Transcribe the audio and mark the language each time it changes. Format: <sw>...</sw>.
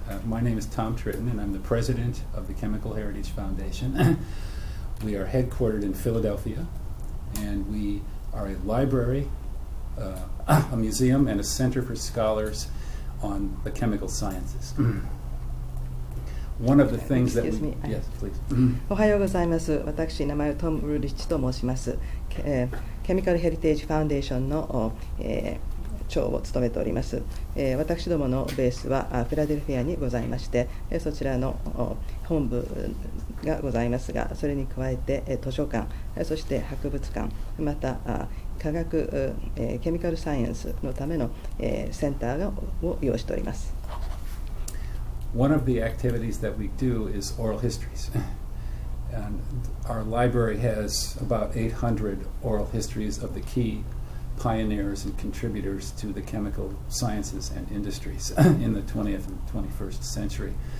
<en>My name is Tom Tritton, and I'm the president of the Chemical Heritage Foundation. We are headquartered in Philadelphia, and we are a library, a museum, and a center for scholars on the chemical sciences. One of the things that we, yes, please.</en> <ja>おはようございます。私、名前はトム・ウルリッチと申します。ケミカルヘリテージファウンデーションの長を務めております。私どものベースはフィラデルフィアにございまして、そちらの本部がございますが、それに加えて図書館、そして博物館、また科学、ケミカルサイエンスのためのセンターを要しております。</ja> <en>One of the activities that we do is oral histories. And our library has about 800 oral histories of the key pioneers and contributors to the chemical sciences and industries in the 20th and 21st century.</en>